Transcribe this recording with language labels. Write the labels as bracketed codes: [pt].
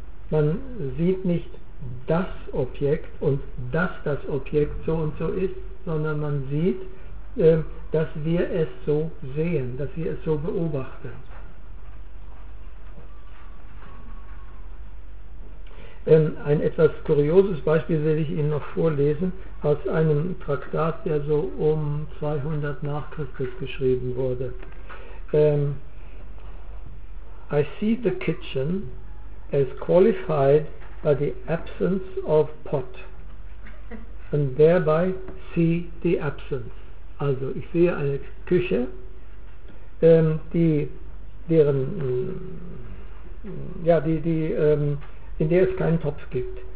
[de] Man sieht nicht das Objekt und dass das Objekt so und so ist, sondern man sieht, dass wir es so sehen, dass wir es so beobachten. Ein etwas kurioses Beispiel will ich Ihnen noch vorlesen, aus einem Traktat, der so um 200 nach Christus geschrieben wurde. [en] I see the kitchen as qualified by the absence of pot and thereby see the absence. [de] Also ich sehe eine Küche, in der es keinen Topf gibt.